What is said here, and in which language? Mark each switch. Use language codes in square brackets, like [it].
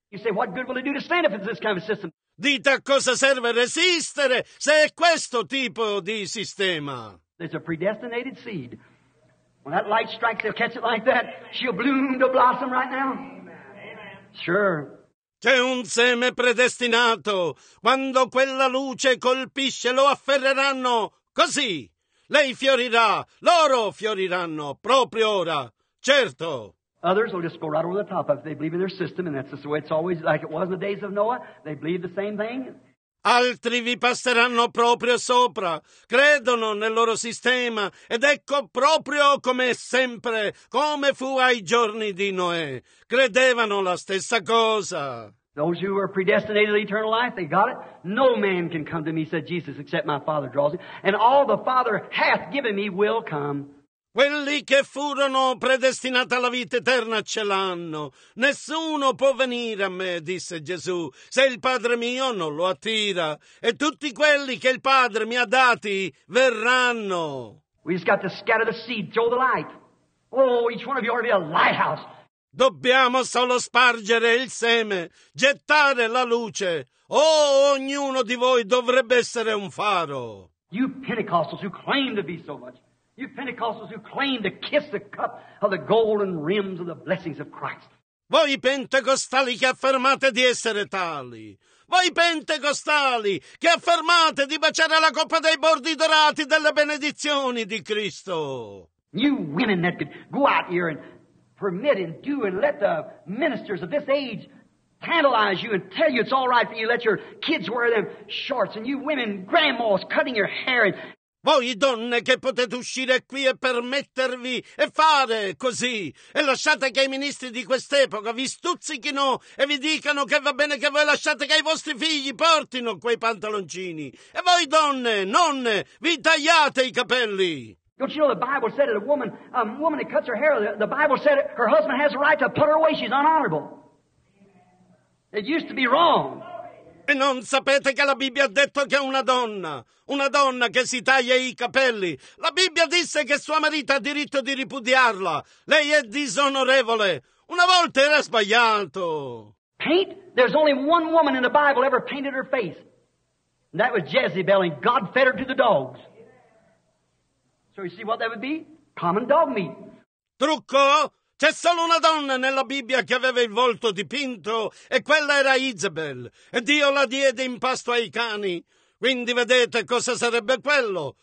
[en] You say, what good will it do to stand if it's this kind of system? [it] Dite a cosa serve resistere se è questo tipo di sistema. [en] There's a predestinated seed. When that light strikes, they'll catch it like that. She'll bloom to blossom right now. Amen. Sure. [it] C'è un seme predestinato. Quando quella luce colpisce, lo afferreranno. Così. Lei fiorirà. Loro fioriranno. Proprio ora. Certo. [en] Others will just go right over the top if they believe in their system, and that's just the way it's always like it was in the days of Noah. They believe the same thing. [it] Altri vi passeranno proprio sopra. Credono nel loro sistema. Ed ecco proprio come sempre, come fu ai giorni di Noè. Credevano la stessa cosa. [en] Those who are predestinated to eternal life, they got it. No man can come to me, said Jesus, except my Father draws him. And all the Father hath given me will come. [it] Quelli che furono predestinati alla vita eterna ce l'hanno. Nessuno può venire a me, disse Gesù, se il Padre mio non lo attira. E tutti quelli che il Padre mi ha dati verranno. [en] We just got to scatter the seed, throw the light. Oh, each one of you ought to be a lighthouse. [it] Dobbiamo solo spargere il seme, gettare la luce. Oh, ognuno di voi dovrebbe essere un faro. [en] You Pentecostals who claim to be so much. You Pentecostals who claim to kiss the cup of the golden rims of the blessings of Christ. [it] Voi pentecostali che affermate di essere tali. Voi pentecostali che affermate di baciare la coppa dei bordi dorati delle benedizioni di Cristo. [en] You women that could go out here and permit and do and let the ministers of this age tantalize you and tell you it's all right for you. Let your kids wear them shorts and you women grandmas cutting your hair and... [it] Voi donne che potete uscire qui e permettervi e fare così e lasciate che i ministri di quest'epoca vi stuzzichino e vi dicano che va bene che voi lasciate che i vostri figli portino quei pantaloncini e voi donne, nonne, vi tagliate i capelli. [en] Don't you know the Bible said that a woman that cuts her hair, the Bible said her husband has the right to put her away, she's unhonorable. It used to be wrong. [it] E non sapete che la Bibbia ha detto che una donna che si taglia i capelli, la Bibbia disse che suo marito ha diritto di ripudiarla. Lei è disonorevole. Una volta era sbagliato. [en] Paint? There's only one woman in the Bible ever painted her face. And that was Jezebel, and God fed her to the dogs. So you see what that would be? Common dog meat. [it] Trucco? C'è solo una donna nella Bibbia che aveva il volto dipinto e quella era Isabel e Dio la diede in pasto ai cani. Quindi vedete cosa sarebbe quello?